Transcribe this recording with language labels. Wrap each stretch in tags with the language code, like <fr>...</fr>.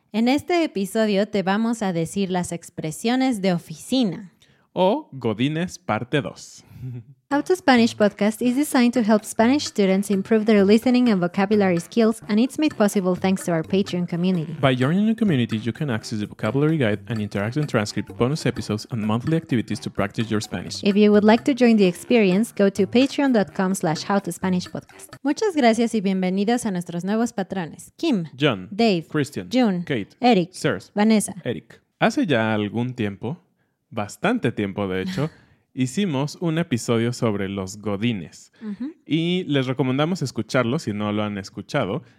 <es>En este episodio te vamos a decir las expresiones de oficina. O Godines parte 2.</es> <en>How to Spanish Podcast is designed to help Spanish students improve their listening and vocabulary skills, and it's made possible thanks to our Patreon community. By joining the community, you can access the vocabulary guide, an interactive transcript, bonus episodes, and monthly activities to practice your Spanish. If you would like to join the experience, go to patreon.com/howtospanishpodcast.</en> <es>Muchas gracias y bienvenidos a nuestros nuevos patrones. Kim, John, Dave, Christian, June, Kate, Eric, Sirs, Vanessa, Eric. Hace ya algún tiempo, bastante tiempo de hecho, hicimos un episodio sobre los godines. Uh-huh. Y les recomendamos escucharlo si no lo han escuchado.</es>